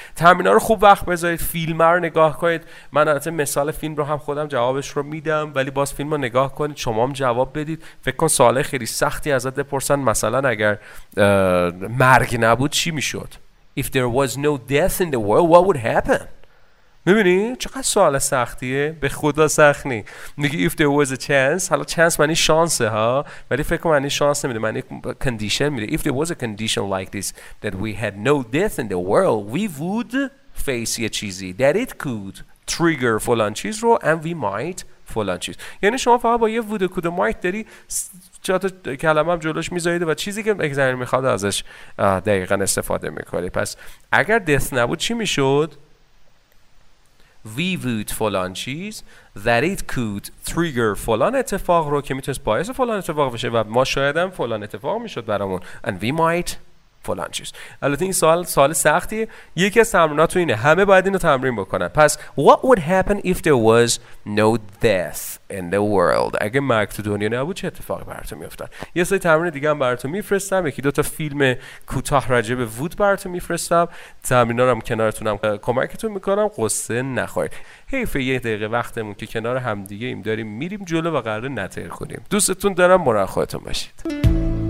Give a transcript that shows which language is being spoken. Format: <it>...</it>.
<fa>تمرین ها رو خوب وقت بذارید، فیلم ها رو نگاه کنید. من حتی مثال فیلم رو هم خودم جوابش رو میدم، ولی باز فیلم رو نگاه کنید، شما هم جواب بدید. فکر کن سوال خیلی سختی ازت بپرسن، مثلا اگر مرگ نبود چی میشد؟</fa> <en>If there was no death in the world, what would happen?</en> <fa>می‌بینی چقدر سوال سختیه؟ به خدا سخت نی. میگه</fa> <en>if there was a chance،</en> <fa>حالا chance معنی شانسه ها، ولی فکر معنی شانس نمیده، معنی condition میده.</fa> <en>If there was a condition like this that we had no death in the world, we would face a چیزی that it could trigger</en> <fa>فلان چیز رو</fa> <en>and we might</en> <fa>فلان چیز. یعنی شما فقط با یه would و could و might داری چطور کلمه هم جلوش میذارید و چیزی که اگزمیر میخواد ازش دقیقا استفاده میکنی. پس اگر death نبود چی میشد؟</fa> <en>We would</en> <fa>فلان چیز</fa> <en>that it could trigger</en> <fa>فلان اتفاق رو که میتونست باعث فلان اتفاق بشه و ما شاید هم فلان اتفاق میشد برامون</fa> <en>and we might</en> <fa>فلان چیز. البته این سوال سختیه. یکی از تمریناتون اینه، همه باید اینو تمرین بکنن. پس</fa> <en>what would happen if there was no death in the world،</en> <fa>اگه مرگ تو دنیا نبود چه اتفاقی براتون میافتاد؟ یه سری تمرین دیگه هم براتون میفرستم، یکی دو تا فیلم کوتاه راجع به وود براتون میفرستم. تمرینا رو هم کنارتونم کمکتون میکنم، قصه نخورید. حیف یه دقیقه وقتمون که کنار هم دیگه ایم داریم میریم جلو و قرار نتر کنیم. دوستتون دارم، مراقبتون باشید.</fa>